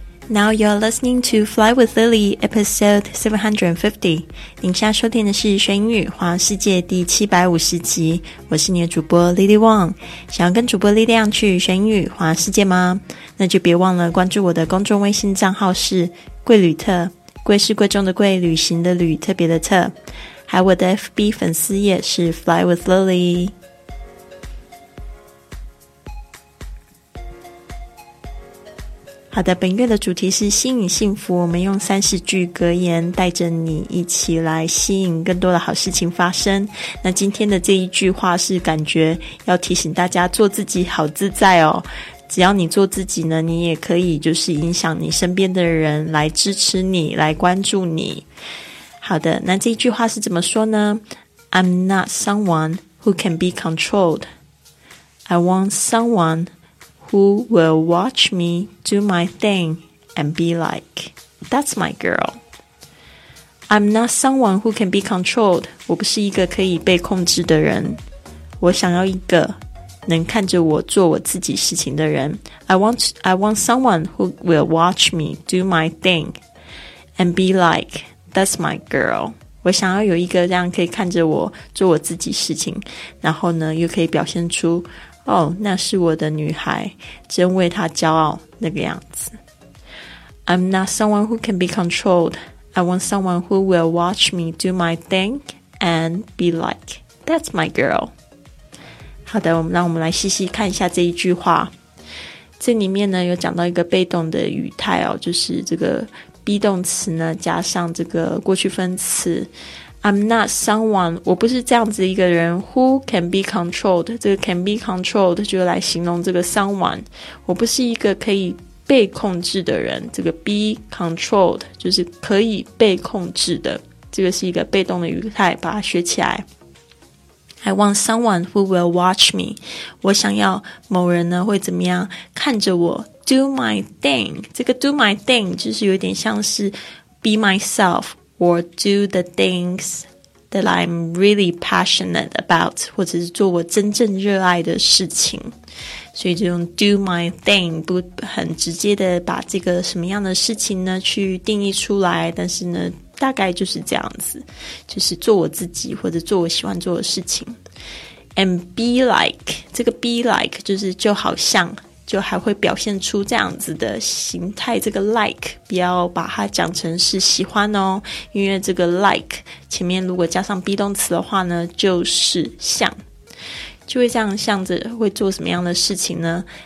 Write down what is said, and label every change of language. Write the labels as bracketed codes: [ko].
[en] Now you're listening to Fly with Lily, episode 750. [zh] 您现在收听的是《学英语环游世界》第750集。我是你的主播 Lily Wang。想要跟主播力量去学英语环游世界吗？那就别忘了关注我的公众微信账号是“贵旅特”，贵是贵重的贵，旅行的旅，特别的特。还有我的 FB 粉丝页是 Fly with Lily。好的，本月的主题是吸引幸福，我们用三十句格言带着你一起来吸引更多的好事情发生。那今天的这一句话是感觉要提醒大家做自己好自在哦，只要你做自己呢，你也可以就是影响你身边的人来支持你，来关注你。好的，那这一句话是怎么说呢？ [en] I'm not someone who can be controlled. I want someonewho will watch me do my thing and be like, that's my girl. I'm not someone who can be controlled. [zh] 我不是一个可以被控制的人。我想要一个能看着我做我自己事情的人。 [en] I want someone who will watch me do my thing and be like, that's my girl. [zh] 我想要有一个这样可以看着我做我自己事情，然后呢又可以表现出哦，那是我的女孩，真为她骄傲那个样子。 [en] I'm not someone who can be controlled. I want someone who will watch me do my thing and be like, that's my girl. [zh] 好的，让我们来细细看一下这一句话。这里面呢有讲到一个被动的语态哦，就是这个 be 动词呢加上这个过去分词。 [en] I'm not someone, [zh] 我不是这样子一个人 [en] who can be controlled, [zh] 这个 [en] can be controlled [zh] 就来形容这个 someone, 我不是一个可以被控制的人，这个 [en] be controlled [zh] 就是可以被控制的，这个是一个被动的语态，把它学起来。 [en] I want someone who will watch me, [zh] 我想要某人呢会怎么样看着我 [en] do my thing, [zh] 这个 do my thing 就是有点像是 [en] be myselfOr do the things that I'm really passionate about, [zh] 或者是做我真正热爱的事情。所以就用 [en] do my thing, [zh] 不很直接的把这个什么样的事情呢去定义出来，但是呢大概就是这样子，就是做我自己或者做我喜欢做的事情。 [en] And be like, [zh] 这个 [en] be like [zh] 就是就好像，就还会表现出这样子的形态，这个 like 不要把它讲成是喜欢哦，因为这个 like 前面如果加上 be 动词的话呢就是像，就会这样像着会做什么样的事情呢？